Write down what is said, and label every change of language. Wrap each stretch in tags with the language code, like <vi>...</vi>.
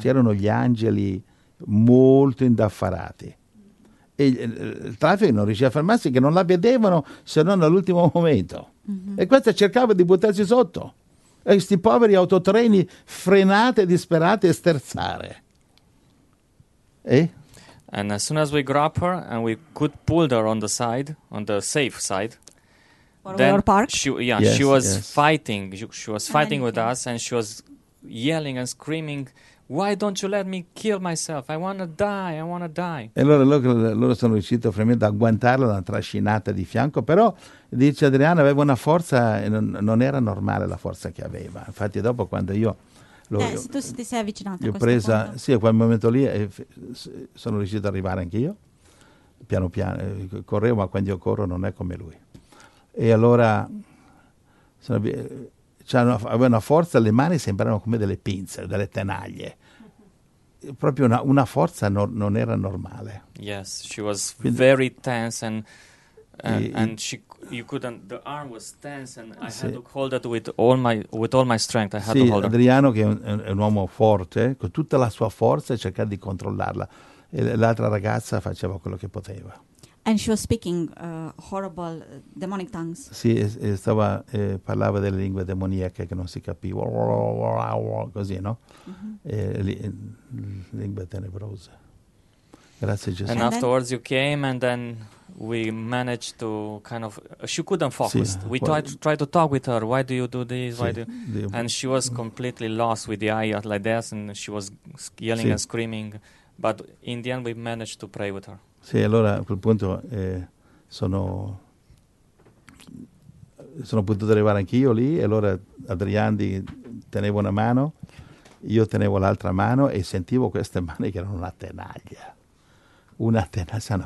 <it>C'erano gli angeli molto indaffarati. E il traffico non riusciva a fermarsi, che non la vedevano se non all'ultimo momento. Mm-hmm. E questa cercava di buttarsi sotto. E questi poveri autotreni frenate, disperate e sterzare.</it> <en>And as soon as we grab her and we could pull her on the side, on the safe side, then we parked. She was fighting with us, and she was yelling and screaming, "Why don't you let me kill myself? I wanna die.</en> <it>E allora loro sono riusciti a fermare, a guantarla, una trascinata di fianco, però, dice Adriana, aveva una forza, non era normale la forza che aveva. Infatti dopo, quando io... Se tu ti sei avvicinato io a questo punto. Sì, a quel momento lì sono riuscito ad arrivare anch'io. Piano piano, correvo, ma quando io corro non è come lui. E allora, aveva una forza, le mani sembrano come delle pinze, delle tenaglie. Proprio una forza non era normale.</it> <en>Yes, she was very tense and the arm was tense and I had to hold it with all my strength. I had to hold her.</en> <it>Adriano, che è un uomo forte, con tutta la sua forza cercare di controllarla, e l'altra ragazza faceva quello che poteva.</it> <en>And she was speaking horrible demonic tongues.</en> <it>Sì, parlava delle lingue demoniache che non si capiva, così, no? Mm-hmm. Lingue tenebrose. Grazie Gesù.</it> <en>And afterwards you came and then we managed to kind of she couldn't focus. Sì, we tried to talk with her. Why do you do this? Sì, why do you? And she was completely lost with the eye like this and she was yelling sì. And screaming. But in the end we managed to pray with her.</en> <it>Sì, allora a quel punto sono potuto arrivare anch'io lì e allora Adriandi teneva una mano, io tenevo l'altra mano e sentivo queste mani che erano una tenaglia, una forza.</it>